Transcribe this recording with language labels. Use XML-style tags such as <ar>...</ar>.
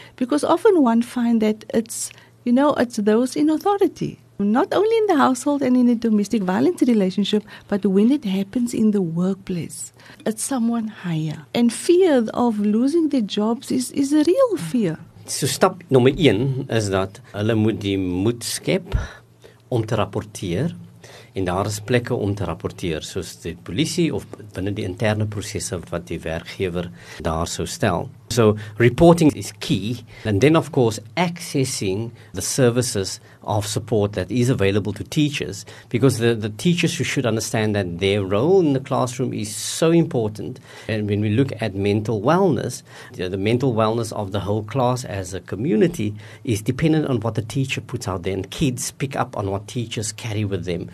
<en>Because often one finds that it's, you know, it's those in authority. Not only in the household and in a domestic violence relationship, but when it happens in the workplace, it's someone higher. And fear of losing their jobs is a real fear.</en> <af>So stap nommer 1 is dat hulle moet die moed skep om te rapporteer en daar is plekke om te rapporteer soos die polisie of binne die interne prosesse wat die werkgewer daar sou stel.</af> <en>So reporting is key, and then of course accessing the services of support that is available to teachers, because the teachers should understand that their role in the classroom is so important. And when we look at mental wellness, the mental wellness of the whole class as a community is dependent on what the teacher puts out there, and kids pick up on what teachers carry with them.</en>